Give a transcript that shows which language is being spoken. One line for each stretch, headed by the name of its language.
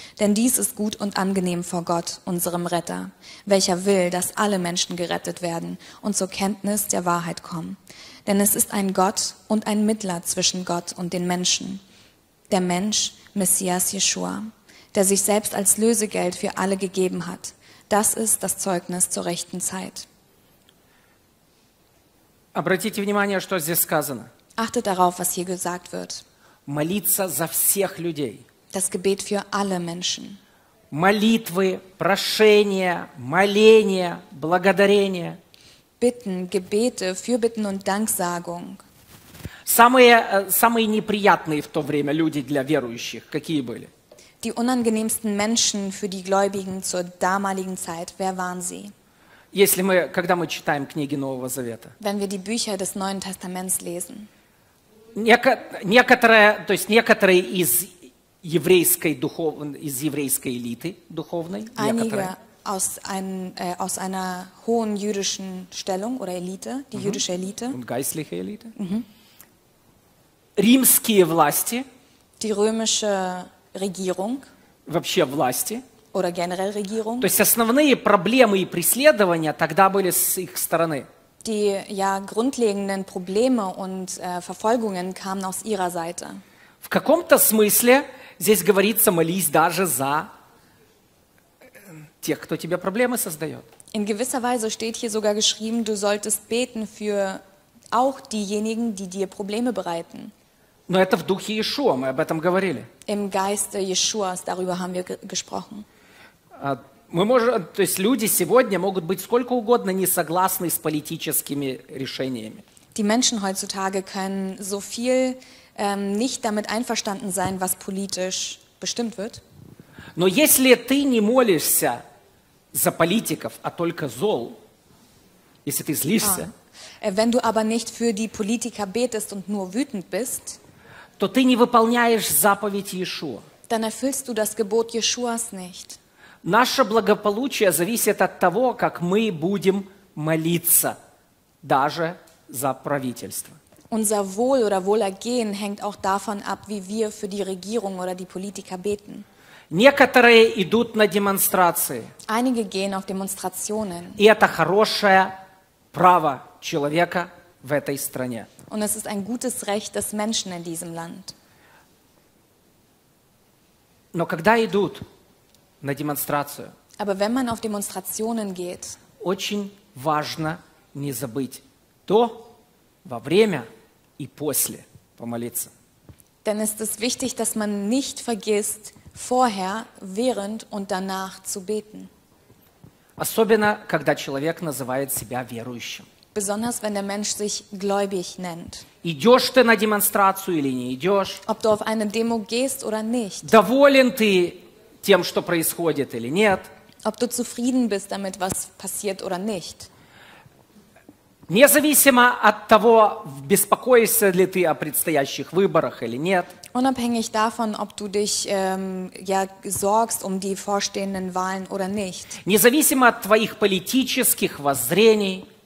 German: Denn dies ist gut und angenehm vor Gott, unserem Retter, welcher will, dass alle Menschen gerettet werden und zur Kenntnis der Wahrheit kommen. Denn es ist ein Gott und ein Mittler zwischen Gott und den Menschen. Der Mensch, Messias Jeschua, der sich selbst als Lösegeld für alle gegeben hat. Das ist das Zeugnis zur rechten Zeit.
Russian: Обратите внимание, что здесь сказано.
German: Achtet darauf, was hier gesagt wird.
Russian: Молиться за всех людей.
German: Das Gebet für alle Menschen.
Russian: Молитвы, прошения, моления, благодарения.
German: Bitten, Gebete, Fürbitten und Danksagung.
Russian: Самые неприятные в то время люди для верующих, какие были?
German: Die unangenehmsten Menschen für die Gläubigen zur damaligen Zeit, wer waren sie?
Russian: Когда мы читаем книги Нового Завета.
German: Wenn wir die Bücher des Neuen Testaments lesen.
Russian: Некоторые из еврейской элиты духовной.
German: Einige aus einer hohen jüdischen Stellung oder Elite, die jüdische Elite. Und geistliche Elite.
Russian: Римские власти,
German: die römische Regierung,
Russian: вообще власти,
German: oder generell Regierung,
Russian: то есть основные проблемы и преследования тогда были с их стороны.
German: Die, ja, grundlegenden Probleme und Verfolgungen kamen aus ihrer Seite.
Russian: В каком-то смысле здесь говорится, молись даже за тех, кто тебе проблемы создает.
German: In gewisser Weise steht hier sogar geschrieben, du solltest beten für auch diejenigen, die dir Probleme bereiten.
Russian: Но это в духе Иешуа, мы об этом говорили.
German: Im Geiste Jeschuas, darüber haben wir gesprochen.
Russian: То есть люди сегодня могут быть сколько угодно не согласны с политическими решениями.
German: Die Menschen heutzutage können so viel nicht damit einverstanden sein, was politisch bestimmt wird.
Russian: Но если ты не молишься за политиков, а только зол, если ты злишься,
German: wenn du aber nicht für die Politiker betest und nur wütend bist,
Russian: то ты не выполняешь заповедь Иешуа.
German: Dann erfüllst du das Gebot Jeschuas nicht.
Russian: Наше благополучие зависит от того, как мы будем молиться даже за правительство.
German: Unser Wohl oder Wohlergehen hängt auch davon ab, wie wir für die Regierung oder die Politiker beten.
Russian: Некоторые идут на демонстрации.
German: Einige gehen auf Demonstrationen.
Russian: И это хорошее право человека в этой стране.
German: Und es ist ein gutes Recht des Menschen in diesem Land.
Russian: Но когда идут на демонстрацию,
German: aber wenn man auf Demonstrationen geht,
Russian: очень важно не забыть то, во время и после помолиться.
German: Dann ist es wichtig, dass man nicht vergisst, vorher, während und danach zu beten.
Russian: Особенно, когда человек называет себя верующим.
German: Besonders wenn der Mensch sich gläubig nennt.
Russian: Идешь ты на демонстрацию или не идешь?
German: Ob du auf eine Demo gehst oder nicht.
Russian: Доволен ты тем, что происходит или нет?
German: Ob du zufrieden bist damit, was passiert oder nicht.
Russian: Независимо от того, беспокоишься ли ты о предстоящих выборах или нет.
German: Unabhängig davon, ob du dich sorgst um die vorstehenden Wahlen oder nicht.
Russian: Независимо от твоих политических воззрений.